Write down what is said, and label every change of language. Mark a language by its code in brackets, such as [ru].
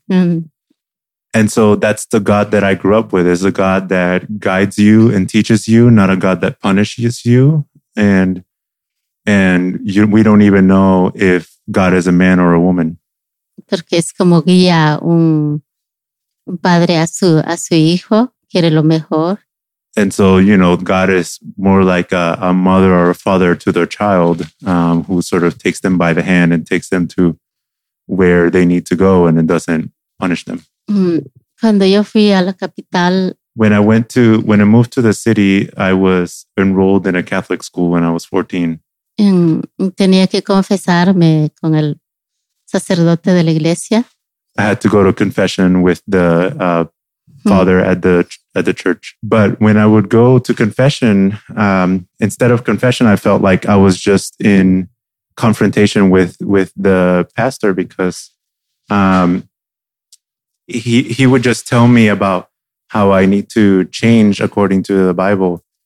[en] And so that's the God that I grew up with, is a God that guides you and teaches you, not a God that punishes you. And you, we don't even know if God is a man or a woman. [es] Porque es como guía un padre a su hijo, quiere lo mejor. [en] And so, you know, God is more like a mother or a father to their child, who sort of takes them by the hand and takes them to where they need to go, and it doesn't punish them. [es] Cuando yo fui a la capital, [en] when I moved to the city, I was enrolled in a Catholic school when I was 14. [es] Tenía que confesarme con el sacerdote de la iglesia. [en] I had to go to confession with the father at the church. But when I would go to confession, instead of confession, I felt like I was just in confrontation with the pastor, because he would just tell me about how I need to change according to the Bible.